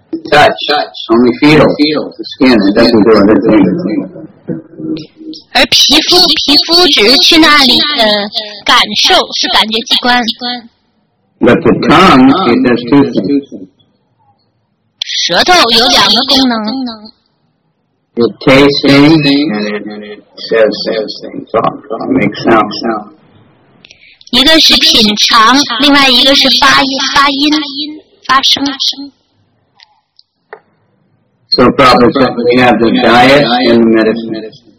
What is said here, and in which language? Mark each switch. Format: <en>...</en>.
<en>Touch, only feel, the skin, it doesn't do anything.</en> <zh>而皮肤只是去那里的感受，是感觉器官。</zh> <en>But the tongue, it does two things.</en> <zh>舌头有两个功能。</zh> <en>It tastes things, and it says things, talk, makes sound.</en> <zh>一个是品尝，另外一个是发音，发声。</zh> <en>So probably we have the diet and the medicine.</en>